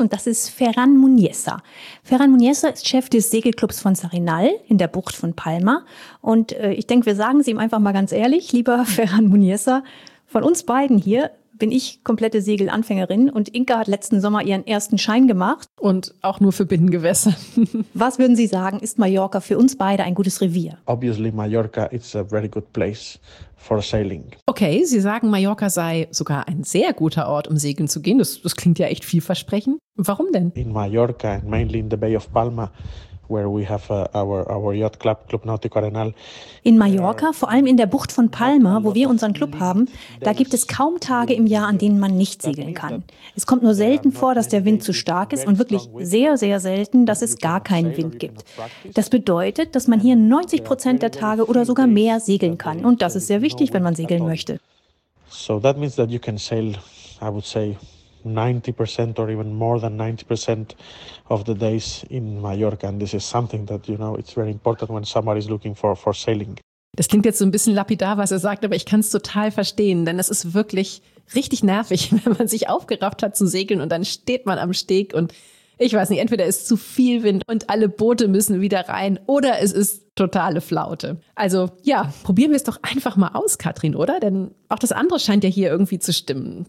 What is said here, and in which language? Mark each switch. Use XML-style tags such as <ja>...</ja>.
<de>Und das ist Ferran Muñeza. Ferran Muñeza ist Chef des Segelclubs von Sarinal in der Bucht von Palma. Und ich denke, wir sagen es ihm einfach mal ganz ehrlich, lieber Ferran Muñeza, von uns beiden hier bin ich komplette Segelanfängerin und Inka hat letzten Sommer ihren ersten Schein gemacht. Und auch nur für Binnengewässer. Was würden Sie sagen, ist Mallorca für uns beide ein gutes Revier?</de> <en>Obviously, Mallorca is a very good place for sailing.</en> <de>Okay, Sie sagen, Mallorca sei sogar ein sehr guter Ort, um segeln zu gehen. Das klingt ja echt vielversprechend. Warum denn?</de> <en>In Mallorca, and mainly in the Bay of Palma, where we have our yacht club, Club Nautico Arenal.</en> <de>In Mallorca, vor allem in der Bucht von Palma, wo wir unseren Club haben, da gibt es kaum Tage im Jahr, an denen man nicht segeln kann. Es kommt nur selten vor, dass der Wind zu stark ist und wirklich sehr, sehr selten, dass es gar keinen Wind gibt. Das bedeutet, dass man hier 90% der Tage oder sogar mehr segeln kann. Und das ist sehr wichtig, wenn man segeln möchte.</de> <en>So that means that you can sail, I would say, 90% or even more than 90% of the days in Mallorca. And this is something that, you know, it's very important when somebody is looking for sailing.</en> <de>Das klingt jetzt so ein bisschen lapidar, was er sagt, aber ich kann es total verstehen, denn es ist wirklich richtig nervig, wenn man sich aufgerafft hat zu segeln und dann steht man am Steg und ich weiß nicht, entweder ist zu viel Wind und alle Boote müssen wieder rein oder es ist totale Flaute. Also ja, probieren wir es doch einfach mal aus, Katrin, oder? Denn auch das andere scheint ja hier irgendwie zu stimmen.</de>